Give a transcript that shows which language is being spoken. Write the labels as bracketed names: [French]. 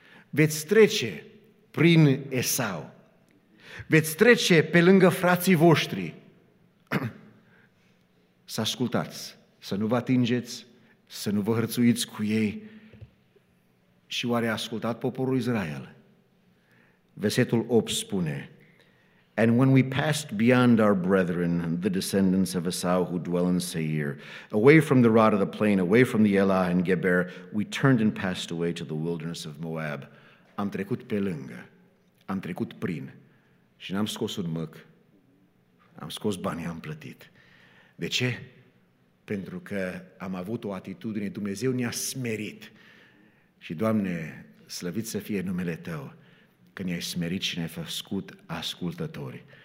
[Romanian] Veți trece prin Esau, veți trece pe lângă frații voștri, să ascultați, să nu vă atingeți, să nu vă hărțuiți cu ei. Și oare a ascultat poporul Israel? Versetul 8 spune, [English] and when we passed beyond our brethren, the descendants of Esau who dwell in Seir, away from the rod of the plain, away from the Elah and Geber, we turned and passed away to the wilderness of Moab. [Romanian] Am trecut pe lângă, am trecut prin și n-am scos un măc, am scos bani, am plătit. De ce? Pentru că am avut o atitudine, Dumnezeu ne-a smerit. Și Doamne, slăvit să fie numele Tău, că ne-ai smerit și ne-ai făscut ascultători.